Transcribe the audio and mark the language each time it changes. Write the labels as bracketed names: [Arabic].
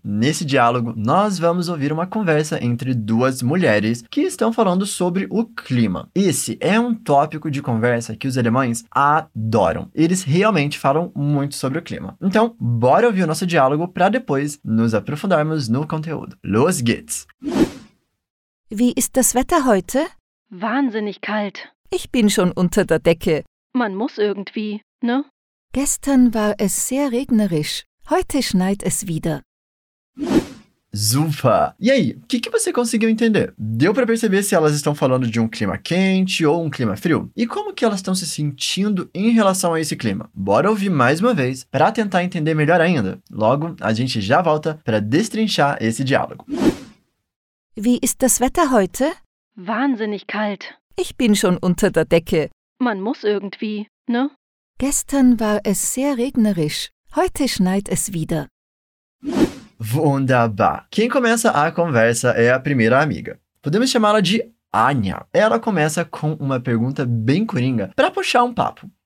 [Portuguese] Nesse diálogo, nós vamos ouvir uma conversa entre duas mulheres que estão falando sobre o clima. Esse é um tópico de conversa que os alemães adoram. Eles realmente falam muito sobre o clima. Então, bora ouvir o nosso diálogo para depois nos aprofundarmos no conteúdo. [German] Los geht's! Wie ist das Wetter heute? Wahnsinnig kalt. Ich bin schon unter der Decke. Man muss irgendwie, ne? Gestern war es sehr regnerisch. Heute schneit es wieder. Super! [Portuguese] E aí, o que você conseguiu entender? Deu para perceber se elas estão falando de um clima quente ou um clima frio? E como que elas estão se sentindo em relação a esse clima? Bora ouvir mais uma vez para tentar entender melhor ainda. Logo, a gente já volta para destrinchar esse diálogo. [German] Wie ist das Wetter heute? Wahnsinnig kalt. Ich bin schon unter der Decke. Man muss irgendwie, ne? Gestern war es sehr regnerisch. Heute schneit es wieder. Wunderbar. [Portuguese] Quem começa a conversa é a primeira amiga. Podemos chamá-la de Anya. Ela começa com uma pergunta bem coringa para puxar um papo.